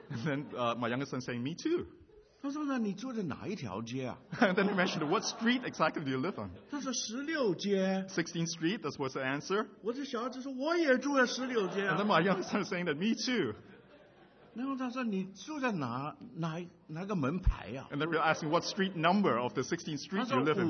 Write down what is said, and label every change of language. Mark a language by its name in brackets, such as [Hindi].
[English] and then my youngest son saying me too. [Chinese] 他说那你住在哪一条街啊, [English] and then he mentioned what street exactly do you live on. [Chinese] 他说16街, [English] 16th Street, that's what's the answer. [Chinese] 我的小孩子说我也住在16街啊, [English] and then my youngest son saying that me too. [Chinese] 然后他说你住在哪个门牌啊, [English] and then we were asking what street number of the 16th Street you live in.